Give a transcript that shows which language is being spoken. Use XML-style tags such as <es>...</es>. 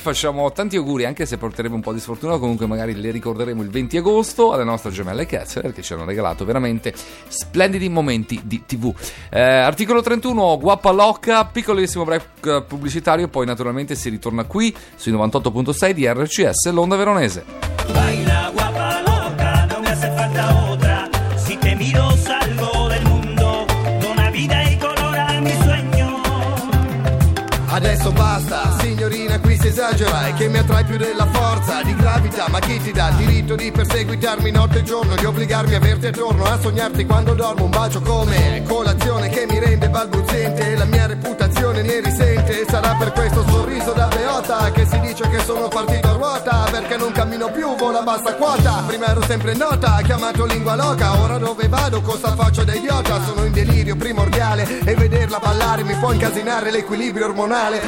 <it>Facciamo tanti auguri, anche se porteremo un po' di sfortuna, comunque magari le ricorderemo il 20 agosto alle nostre gemelle Kessler, che ci hanno regalato veramente splendidi momenti di TV. Articolo 31, Guappa Locca, piccolissimo break pubblicitario, poi naturalmente si ritorna qui sui 98.6 di RCS l'Onda Veronese.</it> <es>Baila guapa loca, no me hace falta otra, si te miro salgo del mundo, dona vida y color a mi sueño.</es> <it>Adesso basta, signorina, qui si esagera, e che mi attrae più della forza di gravità, ma chi ti dà il diritto di perseguitarmi notte e giorno, di obbligarmi a averti attorno, a sognarti quando dormo, un bacio come colazione che mi rende balbuziente, la mia reputazione ne risente, sarà per questo sorriso da beota che si dice che sono partito a ruota, perché non cammino più, vola bassa quota, prima ero sempre nota, chiamato lingua loca, ora dove vado, cosa faccio da idiota, sono in delirio primordiale, e vederla ballare mi può incasinare l'equilibrio ormonale,</it>